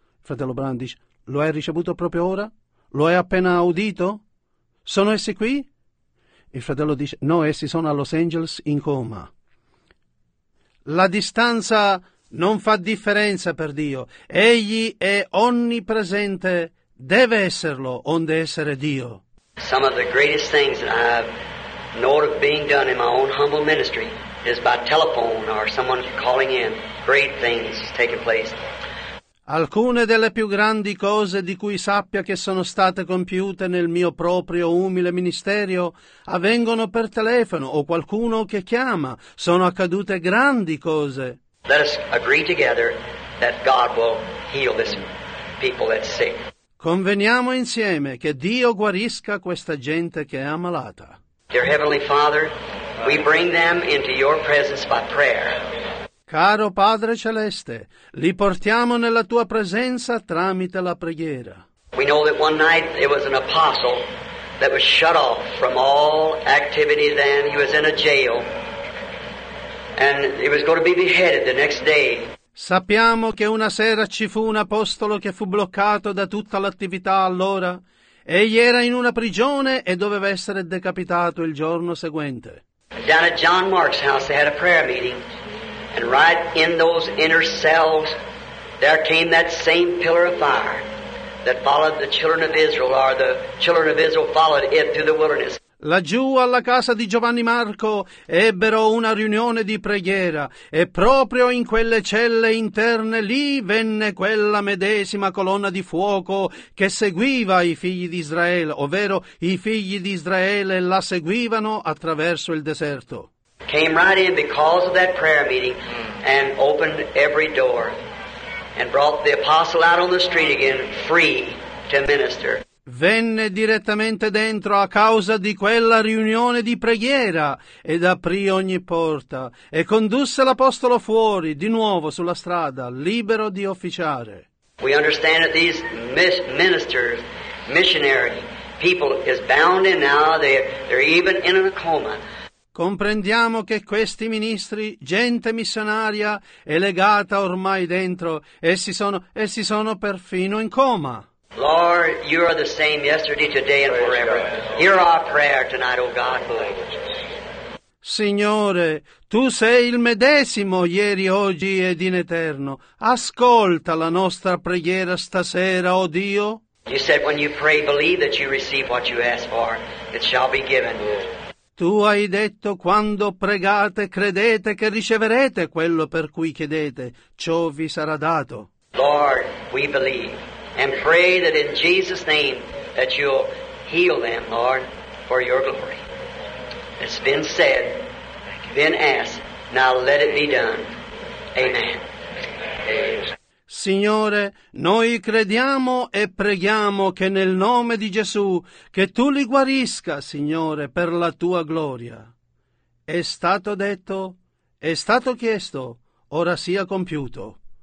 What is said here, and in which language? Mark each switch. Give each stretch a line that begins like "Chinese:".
Italian: Fratello Brandish, lo hai ricevuto proprio ora? Lo hai appena udito? Sono essi qui? Il fratello dice, no, essi sono a Los Angeles in coma. La distanza non fa differenza per Dio. Egli è onnipresente, deve esserlo, onde essere Dio.
English: Some of the greatest things that I've known of being done in my own humble ministry is by telephone or someone calling in. Great things taking place.
Italian: Alcune delle più grandi cose di cui sappia che sono state compiute nel mio proprio umile ministero avvengono per telefono o qualcuno che chiama. Sono accadute grandi cose.
English: Let us agree together that God will heal this people that's sick.
Italian: Conveniamo insieme che Dio guarisca questa gente che è ammalata.
English: Dear Heavenly Father, we bring them into your presence by prayer.
Italian: Caro Padre Celeste, li portiamo nella tua presenza tramite la preghiera.
English: We know that one night it was an apostle that was shut off from all activity then. He was in a jail. And he was going to be beheaded the next day.
Italian: Sappiamo che una sera ci fu un apostolo che fu bloccato da tutta l'attività allora. Egli era in una prigione e doveva essere decapitato il giorno seguente.
English: Down at John Mark's house they had a prayer meeting. And right in those inner cells there came that same pillar of fire that followed the children of Israel, or the children of Israel followed it through the wilderness.
Italian: Laggiù alla casa di Giovanni Marco ebbero una riunione di preghiera e proprio in quelle celle interne lì venne quella medesima colonna di fuoco che seguiva i figli di Israele, ovvero i figli di Israele la seguivano attraverso il deserto.
English: Came right in because of that prayer meeting and opened every door and brought the apostle out on the street again free to minister.
Italian: venne direttamente dentro a causa di quella riunione di preghiera ed aprì ogni porta e condusse l'apostolo fuori di nuovo sulla strada, libero di officiare.
English: We understand that these ministers, missionary people, is bound in now. They're even in a coma.
Italian: Comprendiamo che questi ministri, gente missionaria, è legata ormai dentro. Essi sono perfino in coma.
English: Lord, you are the same yesterday, today, and forever. Hear our prayer tonight, O God, Holy Jesus.
Italian: Signore, tu sei il medesimo ieri, oggi ed in eterno. Ascolta la nostra preghiera stasera, o Dio.
English: You said when you pray, believe that you receive what you ask for. It shall be given.
Italian: Tu hai detto, quando pregate, credete che riceverete quello per cui chiedete. Ciò vi sarà dato.
English: Lord, we believe and pray that in Jesus' name that you'll heal them, Lord, for your glory. It's been said, been asked, now let it be done. Amen.
Italian: Signore, noi crediamo e preghiamo che nel nome di Gesù, che tu li guarisca, Signore, per la tua gloria. È stato detto, è stato chiesto, ora sia compiuto.